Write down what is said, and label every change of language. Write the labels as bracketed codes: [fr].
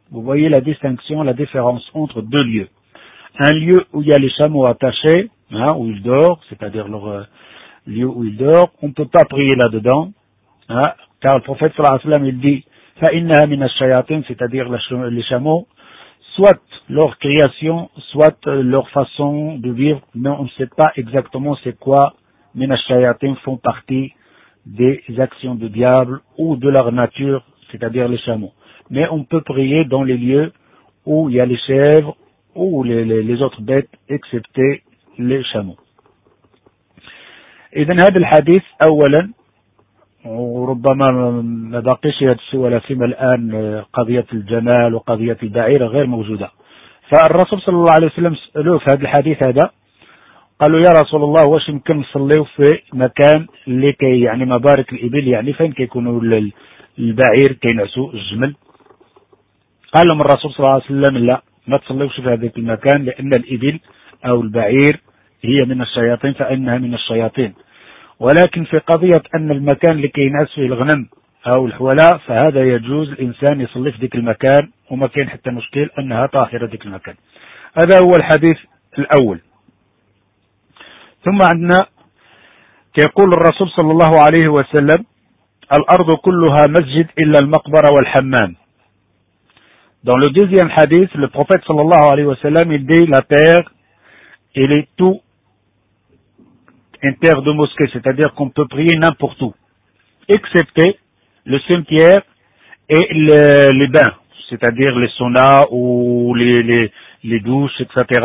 [fr] Vous voyez la distinction, la différence entre deux lieux. Un lieu où il y a les chameaux attachés, hein, où ils dorment, c'est-à-dire leur lieu où ils dorment, on ne peut pas prier là-dedans, hein, car le prophète sallallahu alayhi wa sallam, il dit « [ar] فَإِنَّهَا مِنَ الشَّيَاطِينَ [fr] » c'est-à-dire les chameaux, soit leur création, soit leur façon de vivre, mais on ne sait pas exactement c'est quoi « [ar] مِنَ الشَّيَاطِينَ [fr] » font partie des actions du diable ou de leur nature, c'est-à-dire les chameaux. Mais on peut prier dans les lieux où il y a les chèvres ou les autres bêtes, excepté les chameaux. [ar] إذن هذا الحديث أولا وربما ما بقيش يتسوى لسيما الآن قضية الجمال وقضية البعير غير موجودة. فالرسول صلى الله عليه وسلم سألوه في هذا الحديث هذا. قالوا يا رسول الله واش يمكن نصليو في مكان اللي كي يعني مبارك الإبل يعني فين كيكونوا البعير كينعسوا الجمل. قال لهم الرسول صلى الله عليه وسلم لا ما تصليوش في هذاك المكان لأن الإبل أو البعير هي من الشياطين فإنها من الشياطين. ولكن في قضية أن المكان اللي كينعس فيه الغنم أو الحولاء فهذا يجوز الإنسان يصلي في ذاك المكان وما كاين حتى مشكل أنها طاهرة ذاك المكان. هذا هو الحديث الأول. ثم عندنا يقول الرسول صلى الله عليه وسلم الأرض كلها مسجد إلا المقبرة والحمام. [fr] Dans le deuxième hadith, le prophète صلى الله عليه وسلم il dit la terre elle est tout une terre de mosquée, c'est-à-dire qu'on peut prier n'importe où excepté le cimetière et les bains, c'est-à-dire les saunas ou les douches, etc.